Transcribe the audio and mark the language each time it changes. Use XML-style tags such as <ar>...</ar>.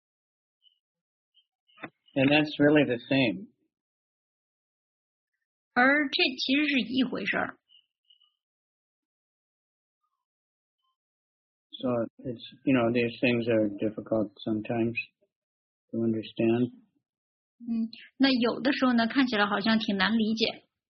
<zh>真的，也许我可能没有办法回到格罗克文大本，但是呢，也要让我永远的从事对您的奉爱服务。And</zh> <en>that's really the same.</en> <zh>而这其实是一回事儿。So</zh> <en>it's, you know, these things are difficult sometimes to understand.</en> <zh>那有的时候呢，看起来好像挺难理解。</zh>